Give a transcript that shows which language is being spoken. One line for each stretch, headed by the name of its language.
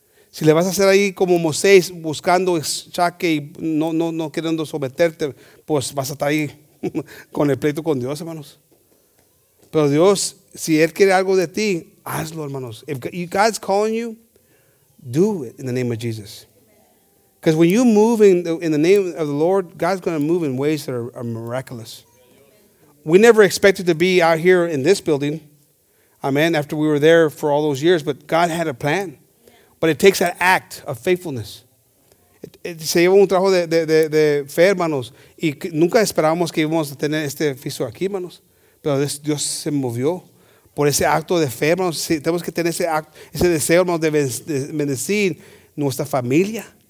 Spanish: Si le vas a hacer ahí como Moisés, buscando chaque y no queriendo someterte, pues vas a estar ahí con el pleito con Dios, hermanos. Pero Dios, si Él quiere algo de ti, hazlo, hermanos.
English: If God's calling you, do it in the name of Jesus. Because when you move in the name of the Lord, God's going to move in ways that are miraculous. We never expected to be out here in this building, amen, after we were there for all those years, but God had a plan. But it takes an act of faithfulness.
Spanish: Se lleva un trabajo de fe, hermanos, y nunca esperábamos que íbamos a tener este piso aquí, hermanos. Pero Dios se movió por ese acto de fe, hermanos. Sí, tenemos que tener ese deseo, hermanos, de bendecir nuestra familia.